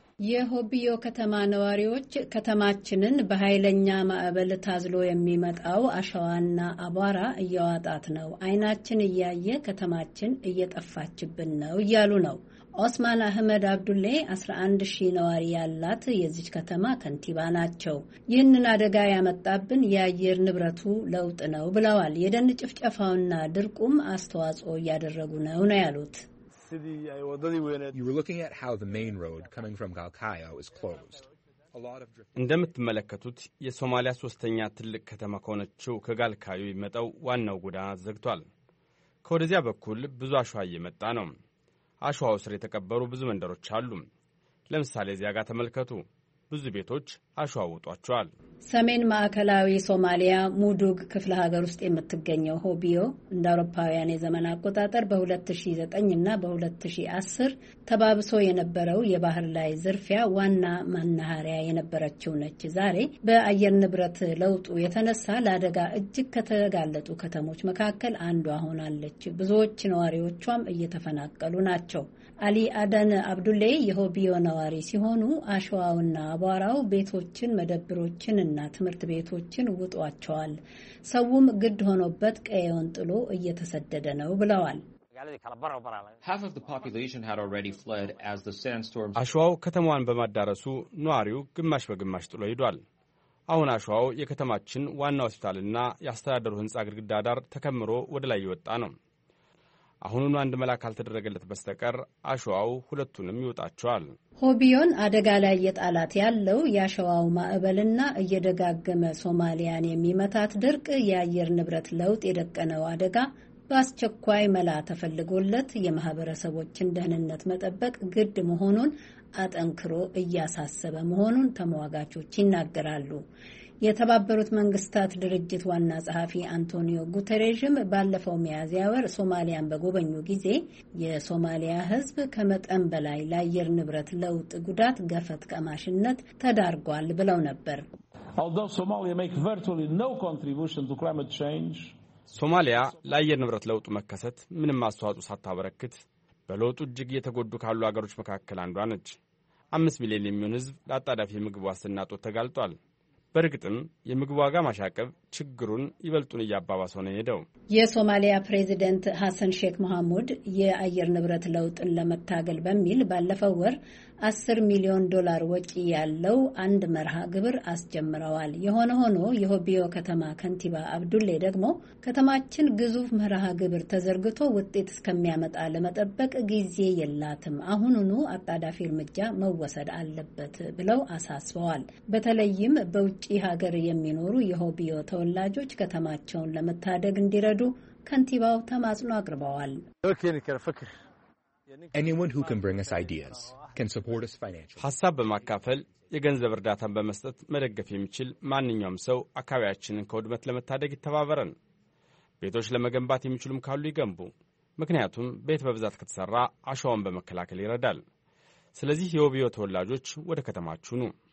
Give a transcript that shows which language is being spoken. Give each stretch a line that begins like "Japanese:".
Amharic: የሆቢዮ ከተማ ነዋሪዎች ከተማችንን በኃይለኛ ማዕበል ታዝሎ የሚመጣው አሸዋና አቧራ እየዋጣት ነው፣ አይናችን እያየ ከተማችን እየጠፋችብን ነው እያሉ ነው። ኦስማን አህመድ አብዱሌ 11000 ነዋሪ ያላት የዚች ከተማ ከንቲባ ናቸው። ይህንን አደጋ ያመጣብን የአየር ንብረቱ ለውጥ ነው ብለዋል። የደን ጭፍጨፋውና ድርቁም አስተዋጽኦ እያደረጉ ነው ያሉት።
English: You were looking at how the main road coming from Galkayo is closed.
Amharic: እንደምትመለከቱት የሶማሊያ ሶስተኛ ትልቅ ከተማ ከሆነችው ከጋልካዮ የመጣው ዋናው ጎዳና ዘግቷል። ከወደዚያ በኩል ብዙ አሸዋ እየመጣ ነው። አሸዋው ስር የተቀበሩ ብዙ መንደሮች አሉ። ለምሳሌ እዚያ ጋር ተመልከቱ። ብዙ ቤቶች አሸዋ ወጧቸዋል። ሰሜን ማዕከላዊ ሶማሊያ ሙዱግ ክፍለ ሀገር ውስጥ የምትገኘው ሆቢዮ እንደ አውሮፓውያን የዘመን አቆጣጠር በ2009 እና በ2010 ተባብሶ የነበረው የባህር ላይ ዝርፊያ ዋና መናኸሪያ የነበረችው ነች። ዛሬ በአየር ንብረት ለውጡ የተነሳ ለአደጋ እጅግ ከተጋለጡ ከተሞች መካከል አንዷ ሆናለች። ብዙዎች ነዋሪዎቿም እየተፈናቀሉ ናቸው። አሊ አዳን አብዱሌ የሆቢዮ ነዋሪ ሲሆኑ አሸዋውና አቧራው ቤቶችን፣ መደብሮችን እና ትምህርት ቤቶችን ውጧቸዋል። ሰውም ግድ ሆኖበት ቀየውን ጥሎ እየተሰደደ ነው ብለዋል።
English: Half of the population had already fled as the sandstorms
Amharic: አሸዋው ከተማዋን በማዳረሱ ነዋሪው ግማሽ በግማሽ ጥሎ ሄዷል። አሁን አሸዋው የከተማችን ዋና ሆስፒታልና ያስተዳደሩ ህንጻ ግድግዳ ዳር ተከምሮ ወደ ላይ ይወጣ ነው። አሁንም አንድ መላ ካልተደረገለት በስተቀር አሸዋው ሁለቱንም ይወጣቸዋል። ሆቢዮን አደጋ ላይ የጣላት ያለው የአሸዋው ማዕበልና እየደጋገመ ሶማሊያን የሚመታት ድርቅ የአየር ንብረት ለውጥ የደቀነው አደጋ በአስቸኳይ መላ ተፈልጎለት የማህበረሰቦችን ደህንነት መጠበቅ ግድ መሆኑን አጠንክሮ እያሳሰበ መሆኑን ተሟጋቾች ይናገራሉ። የተባበሩት መንግስታት ድርጅት ዋና ጸሐፊ አንቶኒዮ ጉተሬዥም ባለፈው ሚያዝያ ወር ሶማሊያን በጎበኙ ጊዜ የሶማሊያ ሕዝብ ከመጠን በላይ ለአየር ንብረት ለውጥ ጉዳት ገፈት ቀማሽነት ተዳርጓል ብለው ነበር።
English: Although Somalia makes virtually no contribution to climate change,
Amharic: ሶማሊያ ለአየር ንብረት ለውጥ መከሰት ምንም አስተዋጽኦ ሳታበረክት በለውጡ እጅግ የተጎዱ ካሉ አገሮች መካከል አንዷ ነች። 5 ሚሊዮን የሚሆን ሕዝብ ለአጣዳፊ ምግብ ዋስትና እጦት ተጋልጧል። በርግጥም የምግብ ዋጋ ማሻቀብ ችግሩን ይበልጡን እያባባሰው ነው የሄደው። የሶማሊያ ፕሬዚደንት ሐሰን ሼክ መሐሙድ የአየር ንብረት ለውጥን ለመታገል በሚል ባለፈው ወር 10 ሚሊዮን ዶላር ወጪ ያለው አንድ መርሃ ግብር አስጀምረዋል። የሆነ ሆኖ የሆቢዮ ከተማ ከንቲባ አብዱሌ ደግሞ ከተማችን ግዙፍ መርሃ ግብር ተዘርግቶ ውጤት እስከሚያመጣ ለመጠበቅ ጊዜ የላትም፣ አሁኑኑ አጣዳፊ እርምጃ መወሰድ አለበት ብለው አሳስበዋል። በተለይም በውጪ ሀገር የሚኖሩ የሆቢዮ ተወላጆች ከተማቸውን ለመታደግ እንዲረዱ ከንቲባው ተማጽኖ አቅርበዋል።
English: Anyone who can bring us ideas can support us financially.
Amharic: ሐሳብ በማካፈል የገንዘብ እርዳታን በመስጠት መደገፍ የሚችል ማንኛውም ሰው አካባቢያችንን ከውድመት ለመታደግ ይተባበረን። ቤቶች ለመገንባት የሚችሉም ካሉ ይገንቡ። ምክንያቱም ቤት በብዛት ከተሰራ አሸዋን በመከላከል ይረዳል። ስለዚህ የሆቢዮ ተወላጆች ወደ ከተማችሁ ኑ።